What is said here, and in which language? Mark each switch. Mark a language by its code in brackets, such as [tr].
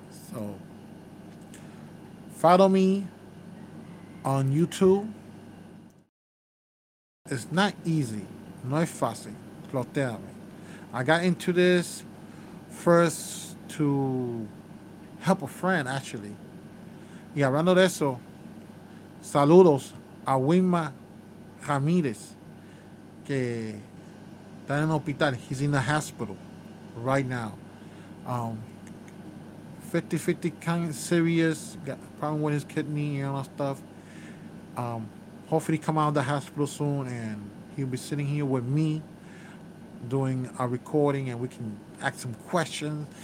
[en] So, follow me on YouTube. It's not easy. [es] No es fácil. Clotearme. [en] I got into this first to help a friend, actually. [es] Y hablando de eso, saludos a Wilma Ramirez, que está en el hospital. [en] He's in the hospital right now. 50-50 kind of serious, got a problem with his kidney and all that stuff. Hopefully come out of the hospital soon, and he'll be sitting here with me doing a recording, and we can ask some questions.